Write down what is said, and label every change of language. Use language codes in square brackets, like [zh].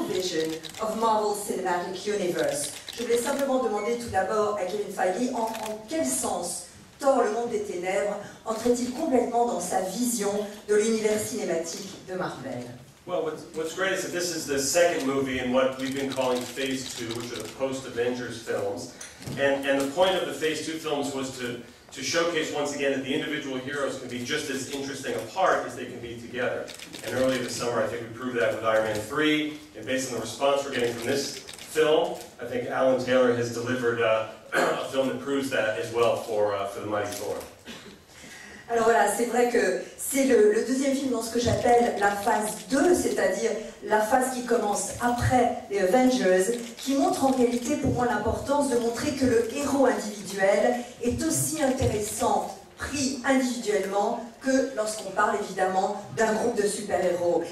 [fr] Je voulais simplement demander tout d'abord à Kevin Feige en quel sens Thor, le monde des ténèbres, entrait-il complètement dans sa vision de l'univers cinématique de Marvel. [en] Well, what's great is that this is the second movie in what we've been calling Phase 2, which are the post-Avengers films. And the point of the Phase 2 films was to showcase once again that the individual heroes can be just as interesting apart as they can be together. And earlier this summer, I think we proved that with Iron Man 3, and based on the response we're getting from this film, I think Alan Taylor has delivered a film that proves that as well for the Mighty Thor. [fr] Alors voilà, c'est vrai que c'est le deuxième film dans ce que j'appelle la phase 2, c'est-à-dire la phase qui commence après les Avengers, qui montre en réalité pour moi l'importance de montrer que le héros individuel est aussi intéressant pris individuellement que lorsqu'on parle évidemment d'un groupe de super-héros.